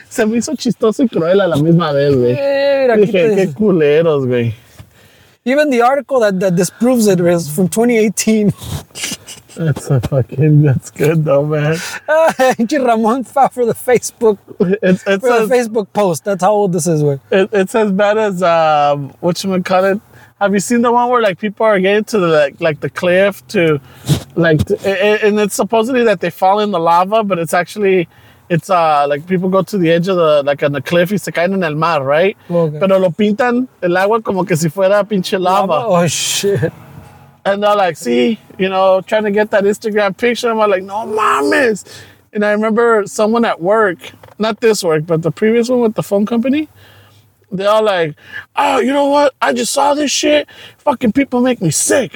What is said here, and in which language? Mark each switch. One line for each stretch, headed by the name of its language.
Spanish: Se me hizo chistoso y cruel a la misma vez, güey. Dije, qué culeros, güey.
English: Even the article that disproves it is from 2018. That's a fucking, that's good though, man. Ramon fought for the Facebook, for the Facebook post. That's how old this is, güey. It's as bad as, whatchamacallit? Have you seen the one where like people are getting to the like the cliff to like and it's supposedly that they fall in the lava, but it's actually it's like people go to the edge of the like on the cliff
Spanish: y se caen en el mar,
English: right? Okay.
Spanish: Pero lo pintan el agua como que si fuera pinche lava.
English: Oh shit. And they're like, see, you know, trying to get that Instagram picture. I'm like,
Spanish: no mames.
English: And I remember someone at work, not this work, but the previous one with the phone company. They all like, oh, you know what? I just saw this shit. Fucking people make me sick.